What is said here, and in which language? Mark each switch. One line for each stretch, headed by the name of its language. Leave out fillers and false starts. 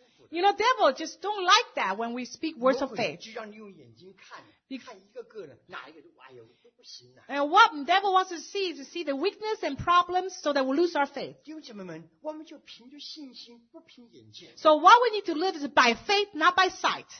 English: you know, devil just don't like that when we speak words of faith.
Chinese: 魔鬼就让你用眼睛看, 看一个个人, 哪一个都, 哎呦, 都不行啊。
English: And what devil wants to see is to see the weakness and problems so that we lose our faith.
Chinese: 弟兄姐妹们, 我们就凭着信心, 不凭眼见。
English: So what we need to live is by faith, not by sight.